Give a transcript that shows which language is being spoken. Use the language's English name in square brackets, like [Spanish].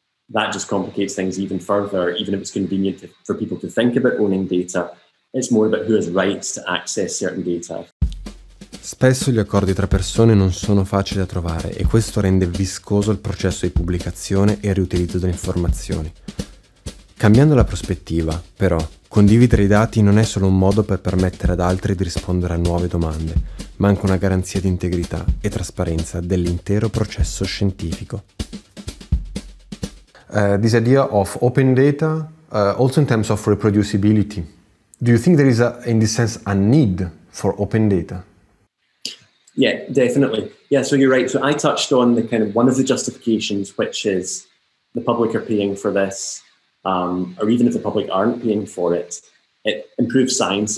[English] That just complicates things even further, even if it's convenient for people to think about owning data. It's more about who has rights to access certain data. [Italian] Spesso gli accordi tra persone non sono facili da trovare e questo rende viscoso il processo di pubblicazione e riutilizzo delle informazioni. Cambiando la prospettiva, però, condividere i dati non è solo un modo per permettere ad altri di rispondere a nuove domande, ma anche una garanzia di integrità e trasparenza dell'intero processo scientifico. [English] this idea of open data, also in terms of reproducibility. Do you think there is, in this sense, a need for open data? Yeah, definitely. Yeah, so you're right. So I touched on the kind of one of the justifications, which is the public are paying for this, or even if the public aren't paying for it, it improves science.